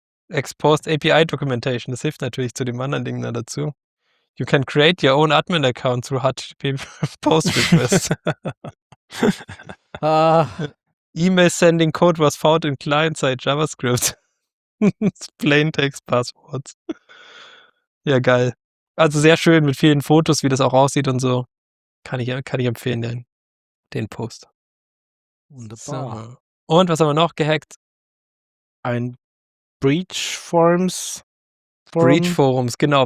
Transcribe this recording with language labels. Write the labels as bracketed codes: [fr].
[de] Exposed API Documentation, das hilft natürlich zu dem anderen Ding da dazu. [en] You can create your own admin account through HTTP post request. E-Mail sending code was found in client-side JavaScript. Plain text passwords. [de] Ja, geil. Also sehr schön mit vielen Fotos, wie das auch aussieht und so. Kann ich empfehlen, den Post. Wunderbar. So. Und was haben wir noch gehackt? Ein Breach Forms. Breach Forums, genau.